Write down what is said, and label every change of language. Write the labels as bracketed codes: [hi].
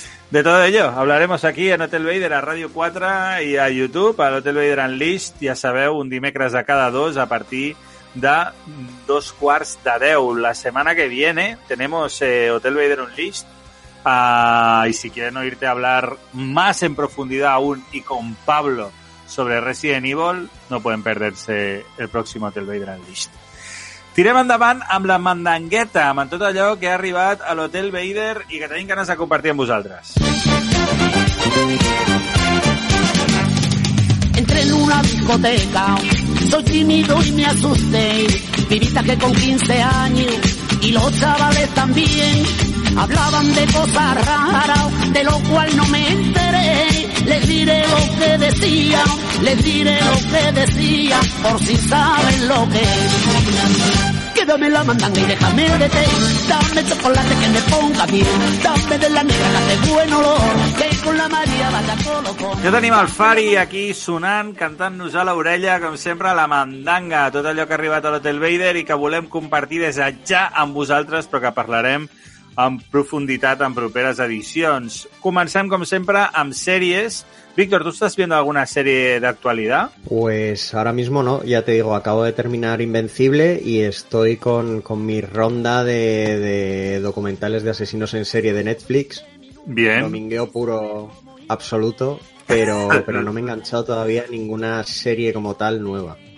[es] De todo ello, hablaremos aquí en Hotel Vader a Radio 4 y a YouTube, al Hotel Vader Unleashed, [ca] ya sabeu, un dimecres de cada dos a partir de [es] 9:45. La semana que viene tenemos Hotel Vader Unleashed, y si quieren oírte hablar más en profundidad aún y con Pablo sobre Resident Evil, no pueden perderse el próximo Hotel Vader Unleashed. [ca] Tirem endavant amb la mandangueta, amb tot allò que ha arribat a l'Hotel Vader i que tenim ganes de compartir amb vosaltres. [es] Entré en una discoteca, soy tímido y me asusté. Vivita que con 15 años y los chavales también hablaban de cosas raras, de lo cual no me enteré. Les diré lo que decía, les diré lo que decía, por si saben lo que es. Que dame la mandanga y déjame de té, dame chocolate que me ponga bien, dame de la negra que hace buen olor, que con la María vaya colocón. [ca] Jo tenim el Fari aquí sonant, cantant-nos a l'orella, com sempre, la mandanga, tot allò que ha arribat a l'Hotel Vader i que volem compartir des de ja amb vosaltres, però que parlarem en profunditat en properes edicions. Comencem, com sempre, amb sèries. [es] Víctor, ¿tú estás viendo alguna serie de actualidad? Pues ahora mismo no, ya te digo, acabo de terminar Invencible y estoy con mi ronda de documentales de asesinos en serie de Netflix. Bien. Domingueo puro absoluto, pero no me he enganchado todavía ninguna serie como tal nueva.